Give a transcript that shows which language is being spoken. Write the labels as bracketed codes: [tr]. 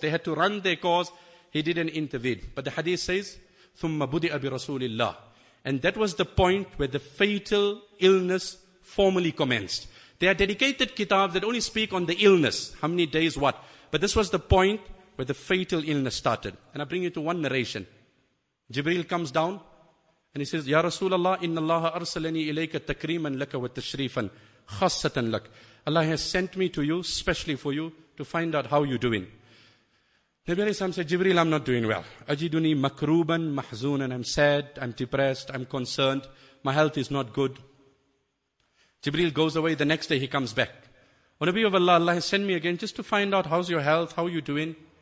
[en] They had to run their course. He didn't intervene. But the hadith says, [ar] ثُمَّ بُدِئَ بِرَسُولِ اللَّهِ. [en] And that was the point where the fatal illness formally commenced. There are dedicated kitabs that only speak on the illness. How many days, what? But this was the point where the fatal illness started. And I bring you to one narration. Jibreel comes down and he says, [ar] يَا رَسُولَ اللَّهِ إِنَّ اللَّهَ أَرْسَلَنِي إِلَيْكَ تَكْرِيمًا لَكَ وَتَشْرِيفًا خَصَّةً لَكَ. [en] Allah has sent me to you, specially for you, to find out how you're doing. Nabi alayhi salam said, Jibreel, I'm not doing well. [ar] Ajiduni makruban mahzoonan, [en] I'm sad, I'm depressed, I'm concerned, my health is not good. Jibreel goes away, the next day he comes back. O Nabi of Allah, Allah has sent me again just to find out how's your health, how are you doing?